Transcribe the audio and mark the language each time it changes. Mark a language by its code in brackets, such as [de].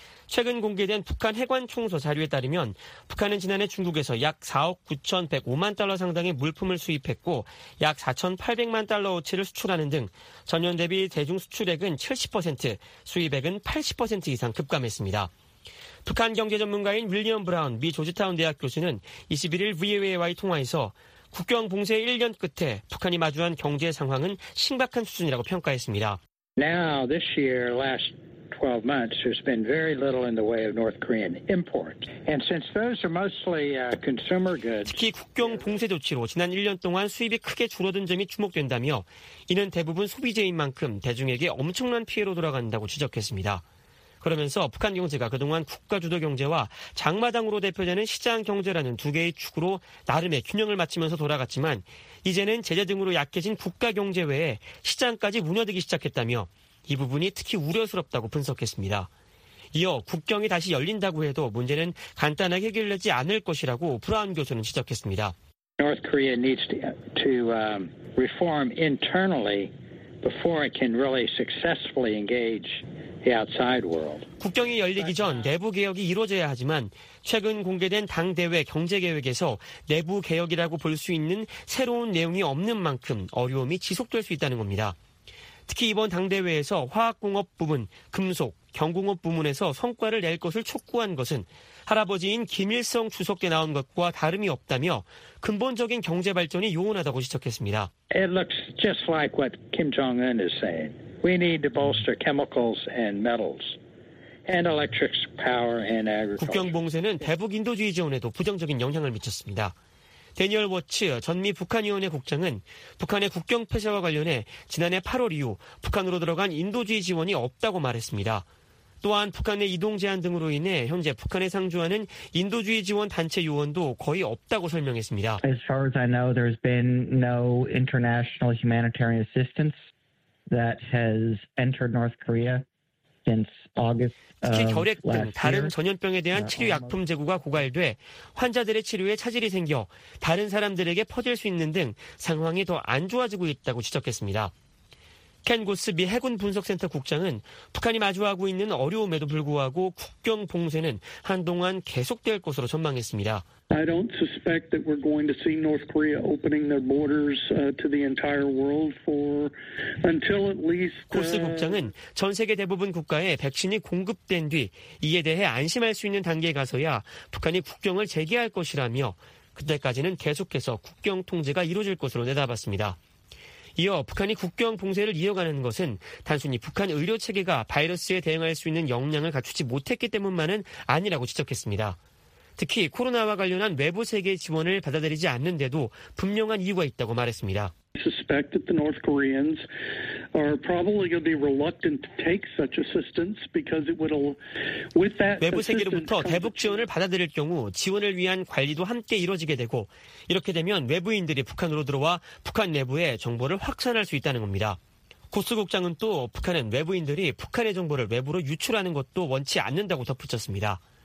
[ko] 최근 공개된 북한 해관 총서 자료에 따르면 북한은 지난해 중국에서 약 4억 9,105만 달러 상당의 물품을 수입했고 약 4,800만 달러 어치를 수출하는 등 전년 대비 대중 수출액은 70%, 수입액은 80% 이상 급감했습니다. 북한 경제 전문가인 윌리엄 브라운 미 조지타운 대학 교수는 21일 VOA와의 통화에서 국경 봉쇄 1년 끝에 북한이 마주한 경제 상황은 심각한 수준이라고 평가했습니다. [en] Now this year, last 12 months, there's been very little in the way of North Korean imports. And since those are mostly consumer goods, [ko] 특히 국경 봉쇄 조치로 지난 1년 동안 수입이 크게 줄어든 점이 주목된다며 이는 대부분 소비재인 만큼 대중에게 엄청난 피해로 돌아간다고 지적했습니다. 그러면서 북한 경제가 그동안 국가 주도 경제와 장마당으로 대표되는 시장 경제라는 두 개의 축으로 나름의 균형을 맞추면서 돌아갔지만 이제는 제재 등으로 약해진 국가 경제 외에 시장까지 무너지기 시작했다며 이 부분이 특히 우려스럽다고 분석했습니다. 이어 국경이 다시 열린다고 해도 문제는 간단하게 해결되지 않을 것이라고 브라운 교수는 지적했습니다. [en] North Korea needs to reform internally before it can really successfully engage the outside world. [ko] 국경이 열리기 전 내부 개혁이 이루어져야 하지만 최근 공개된 당 대외 경제 계획에서 내부 개혁이라고 볼 수 있는 새로운 내용이 없는 만큼 어려움이 지속될 수 있다는 겁니다. 특히 이번 당대회에서 화학공업 부문, 금속, 경공업 부문에서 성과를 낼 것을 촉구한 것은 할아버지인 김일성 주석 때 나온 것과 다름이 없다며 근본적인 경제 발전이 요원하다고 지적했습니다. [en] It looks just like what Kim Jong-un is saying. We need to bolster chemicals and metals and electric power and agriculture. [ko] 국경 봉쇄는 대북 인도주의 지원에도 부정적인 영향을 미쳤습니다. 대니얼 워츠 전미 북한위원회 국장은 북한의 국경 폐쇄와 관련해 지난해 8월 이후 북한으로 들어간 인도주의 지원이 없다고 말했습니다. 또한 북한의 이동 제한 등으로 인해 현재 북한에 상주하는 인도주의 지원 단체 요원도 거의 없다고 설명했습니다. [en] As far as I know, there's been no international humanitarian assistance that has entered North Korea. [ko] 특히 결핵 등 다른 전염병에 대한 치료약품 재고가 고갈돼 환자들의 치료에 차질이 생겨 다른 사람들에게 퍼질 수 있는 등 상황이 더 안 좋아지고 있다고 지적했습니다. 켄 고스 미 해군 분석센터 국장은 북한이 마주하고 있는 어려움에도 불구하고 국경 봉쇄는 한동안 계속될 것으로 전망했습니다. [en] I don't suspect that we're going to see North Korea opening their borders to the entire world for until at least [ko] 코스 국장은 전 세계 대부분 국가에 백신이 공급된 뒤 이에 대해 안심할 수 있는 단계에 가서야 북한이 국경을 재개할 것이라며 그때까지는 계속해서 국경 통제가 이루어질 것으로 내다봤습니다. 이어 북한이 국경 봉쇄를 이어가는 것은 단순히 북한 의료 체계가 바이러스에 대응할 수 있는 역량을 갖추지 못했기 때문만은 아니라고 지적했습니다. 특히 코로나와 관련한 외부 세계 지원을 받아들이지 않는데도 분명한 이유가 있다고 말했습니다. [en] I suspect that the North Koreans are probably going to be reluctant to take such assistance because it would with that [ko] 외부 세계로부터 대북 지원을 받아들일 경우 지원을 위한 관리도 함께 이루어지게 되고 이렇게 되면 외부인들이 북한으로 들어와 북한 내부에 정보를 확산할 수 있다는 겁니다. 코스 국장은 또 북한은 외부인들이 북한의 정보를 외부로 유출하는 것도 원치 않는다고 덧붙였습니다.